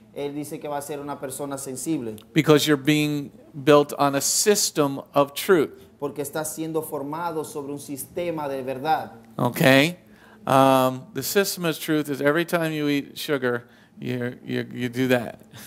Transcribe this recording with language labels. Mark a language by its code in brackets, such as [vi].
[es] Él dice que va a ser una persona sensible. [en] Because you're being built on a system of truth. [es] Porque está siendo formado sobre un sistema de verdad. [en] Okay. The system of truth is every time you eat sugar, you do that.